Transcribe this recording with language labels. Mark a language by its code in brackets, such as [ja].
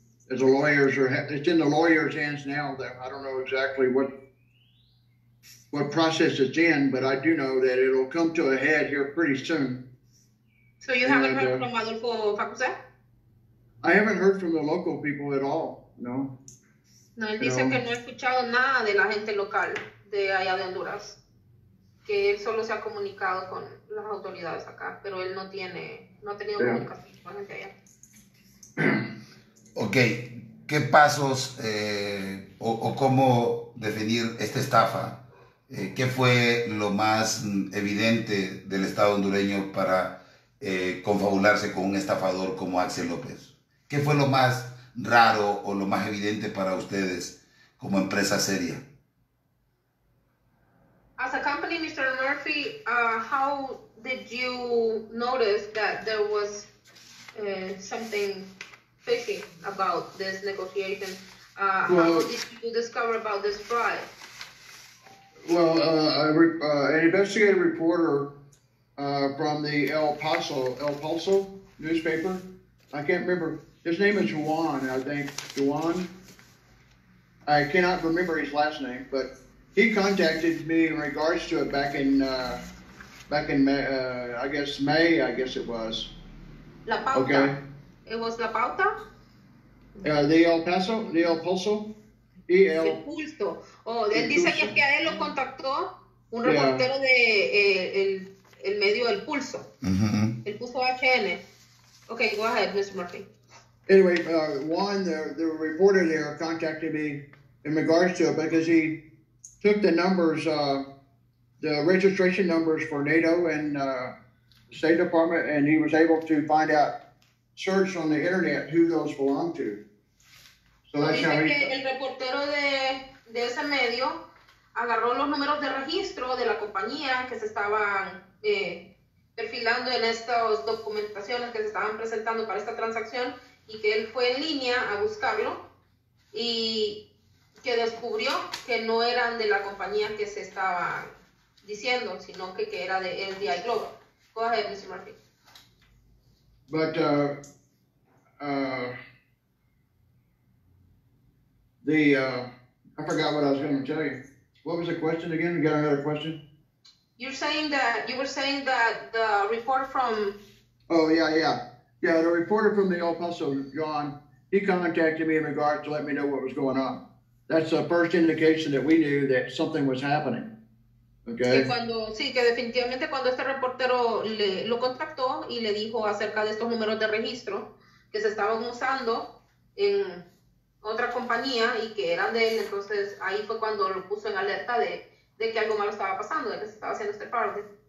[en] As the lawyers are, it's in the lawyer's hands now. That I don't know exactly what process it's in, but I do know that it'll come to a head here pretty soon. So you haven't heard from Adolfo Facuse? I haven't heard from the local people at all. No. [es] No, él dice que no ha escuchado nada de la gente local de allá de Honduras. Que él solo se ha comunicado con las autoridades acá, pero él no ha tenido comunicación con la gente allá. Ok, ¿qué pasos o cómo definir esta estafa? ¿Qué fue lo más evidente del Estado hondureño para confabularse con un estafador como Axel López? ¿Qué fue lo más raro o lo más evidente para ustedes como empresa seria? [en] As a company, Mr. Murphy, how did you notice that there was something thinking about this negotiation? Well, how did you discover about this bribe? Well, an investigative reporter from the El Paso newspaper. I can't remember. His name is Juan, I think. Juan. I cannot remember his last name, but he contacted me in regards to it back in May. [es] La Pauta. [en] Okay. It was La Pauta? The El Paso? The El Paso? [es] El Pulso. Oh, él dice que a él lo contactó un reportero de el medio El Pulso. [en] El Pulso HN. Okay, go ahead, Mr. Murphy. Anyway, Juan, the reporter there, contacted me in regards to it because he took the numbers, the registration numbers for NATO and State Department, and he was able to find out, search on the internet who those belong to. So that's how he. [es] Dice que el reportero de ese medio agarró los números de registro de la compañía que se estaban perfilando en estas documentaciones que se estaban presentando para esta transacción. Y que él fue en línea a buscarlo y que descubrió que no eran de la compañía que se estaba diciendo, sino que era de LDI Global. [en] Go ahead, Mr. Murphy. But I forgot what I was going to tell you. What was the question again? You got another question? You were saying that the report from. Oh, yeah. Yeah, the reporter from the El Paso, John, he contacted me in regards to let me know what was going on. That's the first indication that we knew that something was happening. Okay. [es] Que definitivamente cuando este reportero lo contactó y le dijo acerca de estos números de registro que se estaban usando en otra compañía y que eran de él, entonces ahí fue cuando lo puso en alerta de que algo malo estaba pasando, de que se estaba haciendo este fraude.